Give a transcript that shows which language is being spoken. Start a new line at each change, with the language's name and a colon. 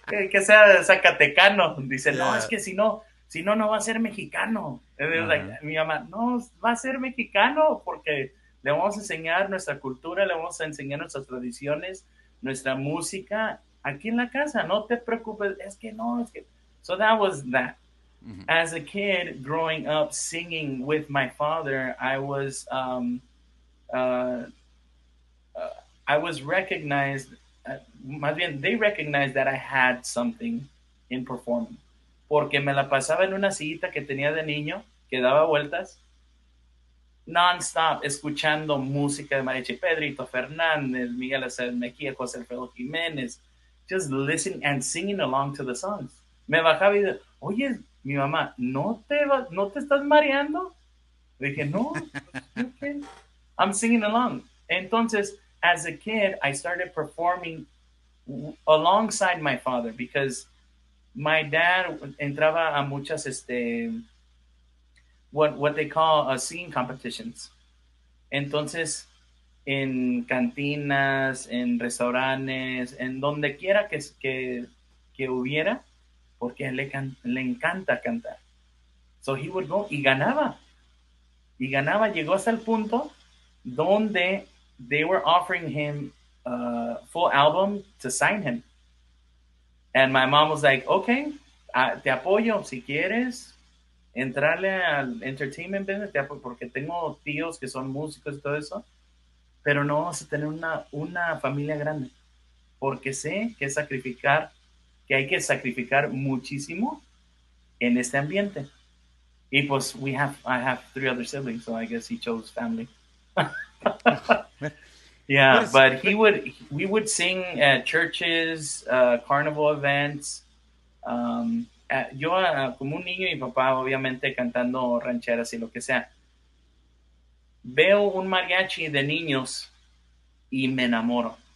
Spanish: Que sea zacatecano. Dice, yeah. No, es que si no, no va a ser mexicano. Uh-huh. Like, mi mamá, no, va a ser mexicano porque le vamos a enseñar nuestra cultura, le vamos a enseñar nuestras tradiciones, nuestra música aquí en la casa. No te preocupes, es que no, es que...
English: So that was that. Mm-hmm. As a kid growing up singing with my father, I was recognized,
Spanish: más bien,
English: they recognized that I had something in performing.
Spanish: Porque me la pasaba en una sillita que tenía de niño, que daba vueltas, non-stop, escuchando música de mariachi, Pedrito Fernández, Miguel Aceves Mejía, José Alfredo Jiménez,
English: just listening and singing along to the songs.
Spanish: Me bajaba y dije, oye, mi mamá, ¿no te estás mareando? Dije, no,
English: okay. I'm singing along. Entonces, as a kid, I started performing alongside my father because my dad
Spanish: entraba a muchas,
English: what they call singing competitions.
Spanish: Entonces, en cantinas, en restaurantes, en donde quiera que hubiera, porque le encanta cantar.
English: So he would go
Spanish: y ganaba. Y ganaba, llegó hasta el punto donde
English: they were offering him a full album to sign him. And my mom was like, okay,
Spanish: te apoyo si quieres entrarle al entertainment business, porque tengo tíos que son músicos y todo eso, pero no vamos a tener una familia grande, porque sé que sacrificar, que hay que sacrificar muchísimo en este ambiente. Y pues,
English: I have three other siblings, so I guess he chose family. Yeah, but we would sing at churches, carnival events.
Spanish: Como un niño, mi papá obviamente cantando rancheras y lo que sea. Veo un mariachi de niños y me enamoro.